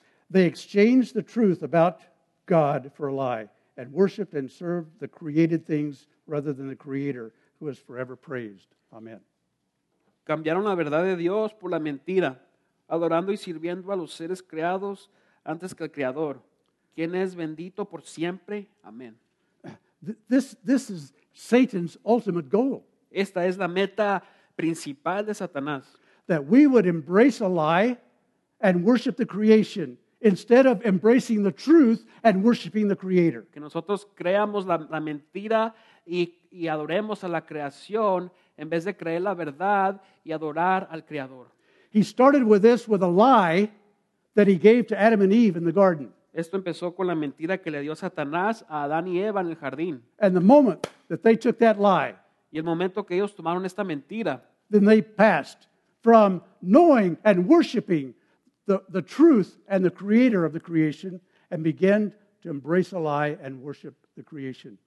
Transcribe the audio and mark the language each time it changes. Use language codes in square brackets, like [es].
[en] They exchanged the truth about God for a lie and worshiped and served the created things rather than the Creator, who is forever praised. Amen. [es] Cambiaron la verdad de Dios por la mentira, adorando y sirviendo a los seres creados antes que al Creador, quien es bendito por siempre. Amén. [en] This is Satan's ultimate goal. [es] Esta es la meta principal de Satanás. [en] That we would embrace a lie and worship the creation instead of embracing the truth and worshiping the Creator. [es] Que nosotros creamos la mentira y adoremos a la creación en vez de creer la verdad y adorar al Creador. [en] He started with this with a lie that he gave to Adam and Eve in the garden. [es] Esto empezó con la mentira que le dio Satanás a Adán y Eva en el jardín. [en] And the moment that they took that lie, [es] y el momento que ellos tomaron esta mentira, [en] then they passed from knowing and worshiping the truth and the Creator of the creation and began to embrace a lie and worship the creation.